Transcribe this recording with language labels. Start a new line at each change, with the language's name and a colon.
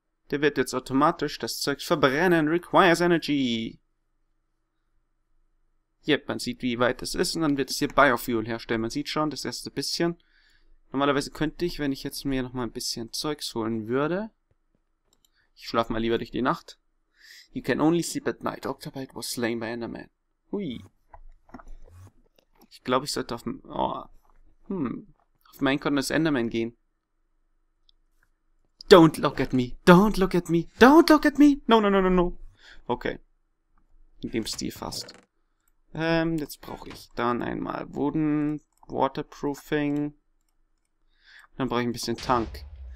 German: Der wird jetzt automatisch das Zeug verbrennen. Requires Energy. Yep, man sieht, wie weit es ist. Und dann wird es hier Biofuel herstellen. Man sieht schon, das erste bisschen. Normalerweise könnte ich, wenn ich jetzt mir noch mal ein bisschen Zeugs holen würde. Ich schlafe mal lieber durch die Nacht.
English: You can only sleep at night. Octopi was slain by Enderman.
German: Hui. Ich glaube, ich sollte auf. Oh. Auf Minecon das Enderman gehen.
English: Don't look at me. Don't look at me. Don't look at me. No, no, no, no, no. Okay.
German: In dem Stil fast. Jetzt brauche ich dann einmal Wooden. Waterproofing. Dann brauche ich ein bisschen Tank.